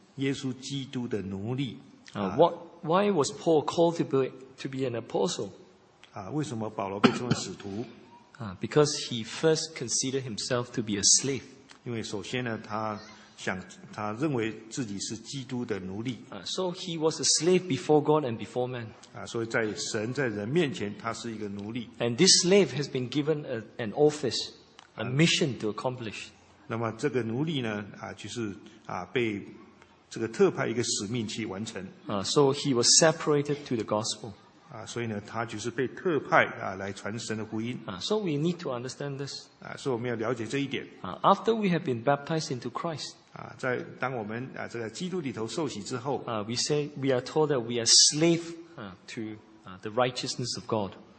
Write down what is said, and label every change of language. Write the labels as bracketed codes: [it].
[zh] 根据我的翻译呢，就是说这是耶稣基督的奴隶。 [en] Why was Paul called to be an apostle? [zh] 为什么保罗被称为使徒？ [en] Because he first considered himself to be a slave. [zh] 因为首先呢，他认为自己是基督的奴隶。 [en] So he was a slave before God and before man. [zh] 所以在神在人面前，他是一个奴隶。 [en] And this slave has been given an office, a mission to accomplish. [zh] 那么这个奴隶呢，就是被这个特派一个使命去完成。 [en] So he was separated to the gospel. [zh] 所以呢，他就是被特派来传神的福音。 [en] So we need to understand this. [zh] 所以我们要了解这一点。 [en] After we have been baptized into Christ. [zh] 在当我们在基督里头受洗之后。 [en] We say we are told that we are slave to the righteousness of God.